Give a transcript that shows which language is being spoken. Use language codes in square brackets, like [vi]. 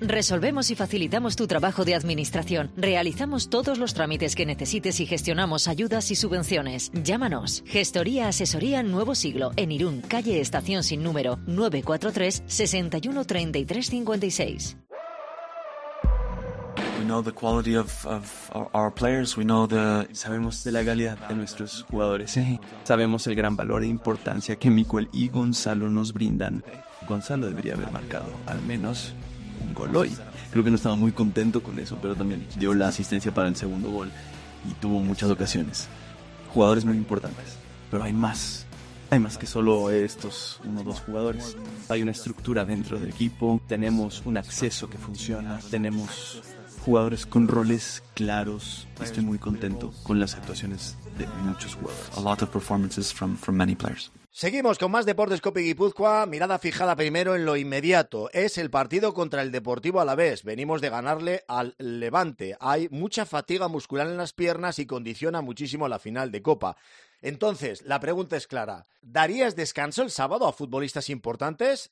[es] Resolvemos y facilitamos tu trabajo de administración. Realizamos todos los trámites que necesites y gestionamos ayudas y subvenciones. Llámanos. Gestoría Asesoría Nuevo Siglo en Irún, calle Estación sin número, 943-613356. [en] We know the quality of our players. We know the... [es] Sabemos de la calidad de nuestros jugadores. Sí. Sabemos el gran valor e importancia que Miquel y Gonzalo nos brindan. Gonzalo debería haber marcado al menos un gol hoy. Creo que no estaba muy contento con eso, pero también dio la asistencia para el segundo gol y tuvo muchas ocasiones. Jugadores muy importantes, pero hay más. Hay más que solo estos uno o dos jugadores. Hay una estructura dentro del equipo. Tenemos un acceso que funciona. Tenemos jugadores con roles claros. Estoy muy contento con las actuaciones de muchos jugadores. [en] A lot of performances from many players. [es] Seguimos con más Deportes Copa Guipúzcoa. Mirada fijada primero en lo inmediato. Es el partido contra el Deportivo Alavés. Venimos de ganarle al Levante. Hay mucha fatiga muscular en las piernas y condiciona muchísimo la final de Copa. Entonces, la pregunta es clara. ¿Darías descanso el sábado a futbolistas importantes?